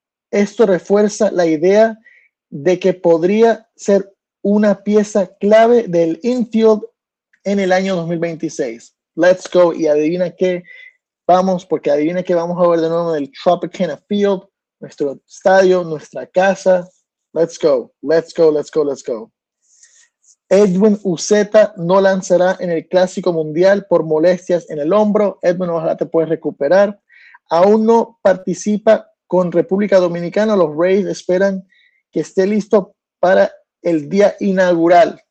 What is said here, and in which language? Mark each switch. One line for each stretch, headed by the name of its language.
Spanish: Esto refuerza la idea de que podría ser una pieza clave del infield en el año 2026.
English: Let's go.
Spanish: Y adivina qué, vamos, porque adivina qué vamos a ver de nuevo en el Tropicana Field, nuestro estadio, nuestra casa.
English: Let's go, let's go, let's go, let's go.
Spanish: Edwin Uceta no lanzará en el Clásico Mundial por molestias en el hombro. Edwin, ojalá te puedes recuperar. Aún no participa con República Dominicana. Los Rays esperan que esté listo para el día inaugural.